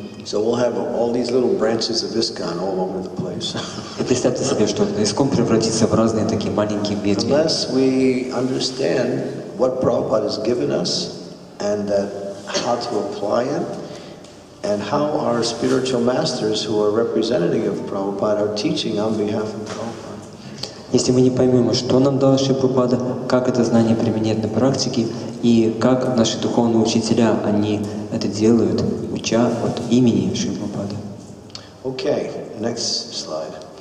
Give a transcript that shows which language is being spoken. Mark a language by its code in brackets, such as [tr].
[en] So we'll have all these little branches of ISKCON all over the place. [ru] Представьте себе, что ISKCON превратится в разные такие маленькие ветви. [en] Unless we understand what Prabhupada has given us and that how to apply it. And how our spiritual masters, who are representative of Prabhupada, are teaching on behalf of Prabhupada. [ru] Если мы не поймем, что нам дал Шри Прабхупада, как это знание применять на практике, и как наши духовные учителя, они это делают, уча от имени Шри Прабхупады. [en] Okay, next slide.